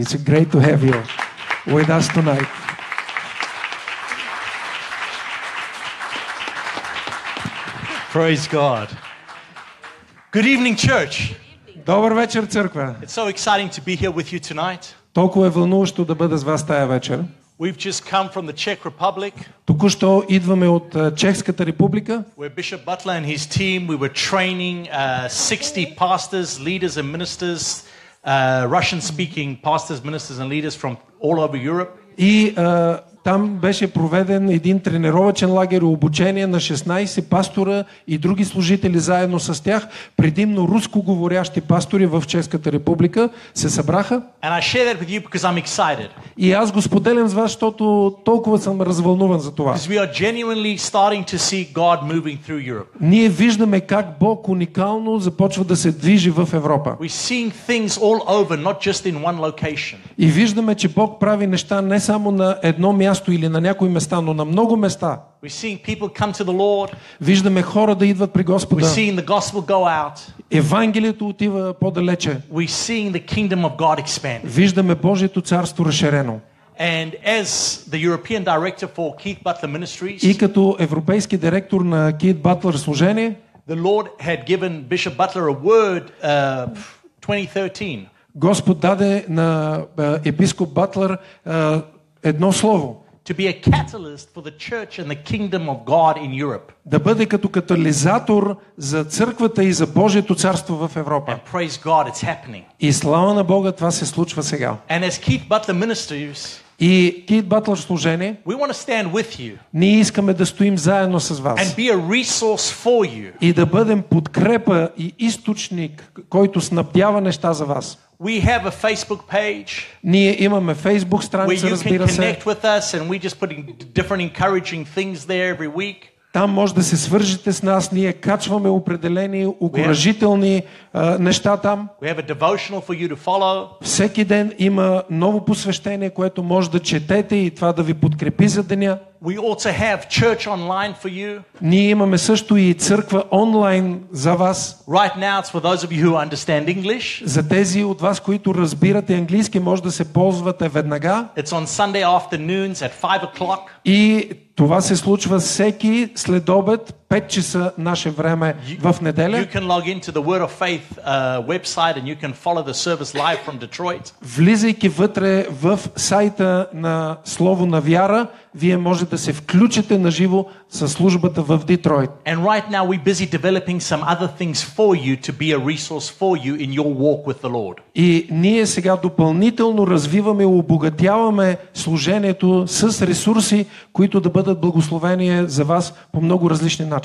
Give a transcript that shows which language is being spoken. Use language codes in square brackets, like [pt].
[en] It's great to have you with us tonight. Praise God. Good evening, church. [bg] Добър вечер, църква. [en] It's so exciting to be here with you tonight. [bg] Толкова е вълнуващо да бъда с вас тая вечер. [en] We've just come from the Czech Republic. [bg] Току-що идваме от Чехската република. [en] Where Bishop Butler and his team, we were training 60 pastors, leaders and ministers, Russian-speaking pastors, ministers and leaders from all over Europe. [bg] И там беше проведен един тренировачен лагер и обучение на 16 пастора и други служители заедно с тях, предимно рускоговорящи пастори в Чешката република, се събраха. [en] And I share that with you because I'm excited. [bg] И аз го споделям с вас, защото толкова съм развълнуван за това. [en] Because we are genuinely starting to see God moving through Europe. [bg] Ние виждаме как Бог уникално започва да се движи в Европа. [en] We're seeing things all over, not just in one location. [bg] И виждаме, че Бог прави неща не само на едно място или на някои места, но на много места. [en] We're seeing people come to the Lord. [bg] Виждаме хора да идват при Господа. [en] We're seeing the gospel go out. [bg] Евангелието отива по-далече. [en] We're seeing the kingdom of God expand. [bg] Виждаме Божието царство разширено. [en] And as the European director for Keith Butler Ministries. [bg] И като европейски директор на Keith Butler служение. [en] The Lord had given Bishop Butler a word 2013. [bg] Господ даде на епископ Батлер едно слово. [en] To be a catalyst for the church and the kingdom of God in Europe. [bg] Да бъде като катализатор за църквата и за Божието царство в Европа. [en] And praise God, it's happening. [bg] И слава на Бога, това се случва сега. [en] And as Keith Butler ministers, [bg] и Кит Батлер служение, [en] we want to stand with you. [bg] Ние искаме да стоим заедно с вас. [en] And be a resource for you. [bg] И да бъдем подкрепа и източник, който снабдява неща за вас. [en] We have a Facebook page. [bg] Ние имаме Facebook страница, разбира се. [en] Where you can connect with us and we just putting different encouraging things there every week. [bg] Там може да се свържете с нас, ние качваме определени окуражителни неща там. [en] We have a devotional for you to follow. [bg] Всеки ден има ново посвещение, което може да четете и това да ви подкрепи за деня. [en] We also have church online for you. [bg] Ние имаме също и църква онлайн за вас. [en] Right now it's for those of you who understand English. [bg] За тези от вас, които разбирате английски, може да се ползвате веднага. [en] It's on Sunday afternoons at 5:00. [bg] И това се случва всеки следобед 5 часа наше време в неделя. [en] You can log into the Word of Faith website and you can follow the service live from Detroit. [bg] Влизайки вътре в сайта на Слово на вяра, вие може да се включите на живо със службата в Детройт. [en] And right now we're busy developing some other things for you to be a resource for you in your walk with the Lord. [bg] И ние сега допълнително развиваме и обогатяваме служението с ресурси, които да бъдат благословение за вас по много различни начини.